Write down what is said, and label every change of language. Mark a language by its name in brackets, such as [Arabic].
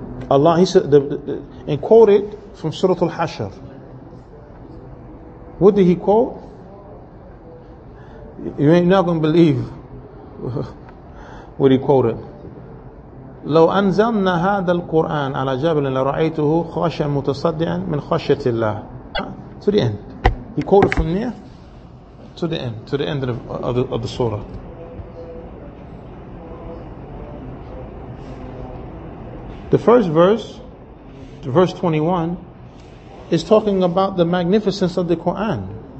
[English] Allah, he said, and quoted from Surah Al-Hashr. What did he quote? You ain't not gonna believe what he quoted. [Arabic] لو أنزلنا هذا القرآن على جبل لرأيته خاشعا متصدعا من خشية الله. [English] To the end. He quoted from there to the end, to the end of the surah. The first verse, verse 21, is talking about the magnificence of the Quran.